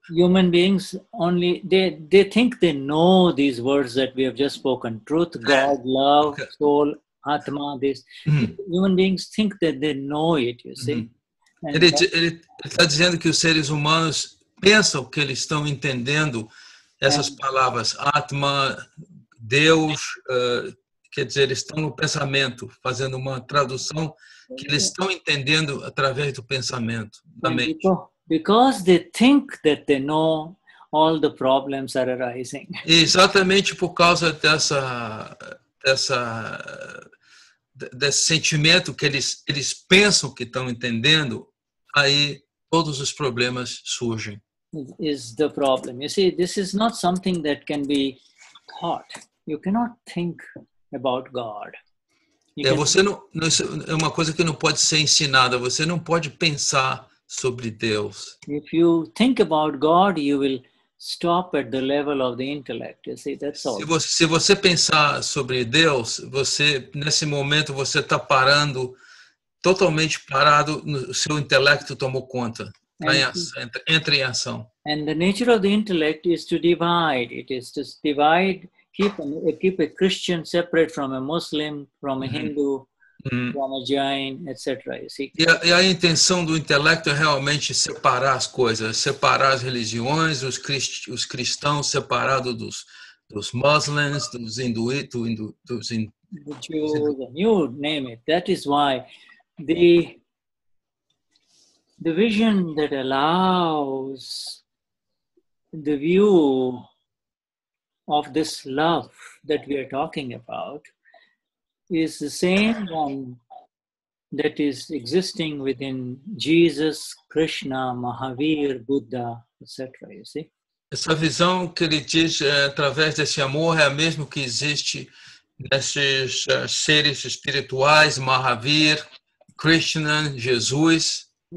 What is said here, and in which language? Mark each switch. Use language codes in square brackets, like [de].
[en] Human beings only, they think they know these words that we have just spoken. Truth, God, love, okay. Soul, Atma, this. Mm-hmm. Human beings think that they know it, you see. Mm-hmm. [pt] Ele está dizendo que os seres humanos pensam que eles estão entendendo essas palavras, Atma, Deus, quer dizer, eles estão no pensamento, fazendo uma tradução que eles estão entendendo através do pensamento, da mente. [en] Because they think that they know all the problems are arising. [pt] Exatamente por causa desse sentimento que eles pensam que estão entendendo, aí todos os problemas surgem. [en] Is the problem. You see, this is not something that can be taught. You cannot think about God. [pt] É uma coisa que não pode ser ensinada. Você não pode pensar sobre Deus. [en] If you think about God, you will stop at the level of the intellect. You see, that's all. [pt] Se você pensar sobre Deus, você nesse momento você está parando, totalmente parado, no seu intelecto tomou conta. Entra em ação. [en] And the nature of the intellect is to divide. It is to divide, keep a Christian separate from a Muslim, from a Hindu, from a Jain, etc. You see? [pt] E a intenção do intelecto é realmente separar as coisas, separar as religiões, os cristãos separados dos Muslims, dos hinduítos, [en] you name it. That is why the vision that allows the view of this love that we are talking about is the same one that is existing within Jesus, Krishna, Mahavir, Buddha, etc. You see? [pt] Essa visão que ele diz através desse amor é a mesma que existe nesses seres espirituais, Mahavir, Krishna, Jesus.